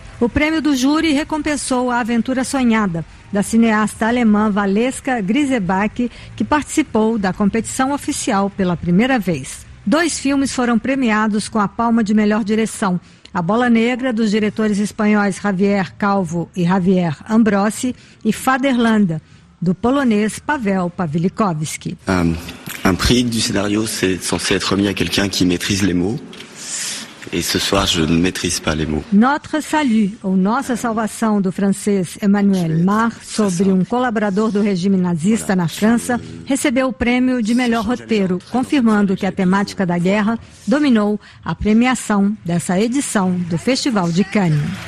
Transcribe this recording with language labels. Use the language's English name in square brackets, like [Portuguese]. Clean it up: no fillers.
[Portuguese] O prêmio do júri recompensou A Aventura Sonhada, da cineasta alemã Valeska Grisebach, que participou da competição oficial pela primeira vez. 2 filmes foram premiados com a Palma de Melhor Direção: A Bola Negra, dos diretores espanhóis Javier Calvo e Javier Ambrosi, e Faderlanda, do polonês Pavel Pawlikowski. [French] Um prix du scénario, c'est censé être remis à quelqu'un qui maîtrise les mots. Et ce soir, je ne maîtrise pas les mots. [Portuguese] Notre salut, ou nossa salvação, do francês Emmanuel Mar, sobre um colaborador do regime nazista na França, recebeu o prêmio de melhor roteiro, confirmando que a temática da guerra dominou a premiação dessa edição do Festival de Cannes.